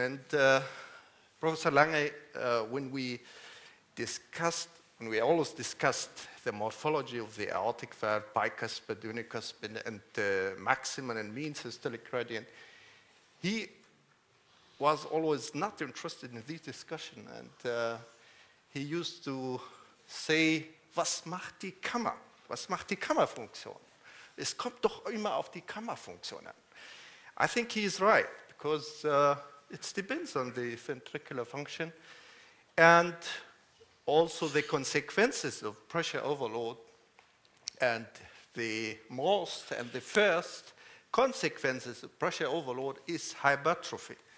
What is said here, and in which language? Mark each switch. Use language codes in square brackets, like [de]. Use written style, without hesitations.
[en] And Professor Lange, when we discussed, and we always discussed the morphology of the aortic valve, bicuspid, unicuspid, and maximum and mean systolic gradient, he was always not interested in this discussion. And he used to say, [de] was macht die Kammer? Was macht die Kammerfunktion? Es kommt doch immer auf die Kammerfunktion an. [en] I think he is right, because it depends on the ventricular function. And also the consequences of pressure overload, and the most and the first consequences of pressure overload is hypertrophy.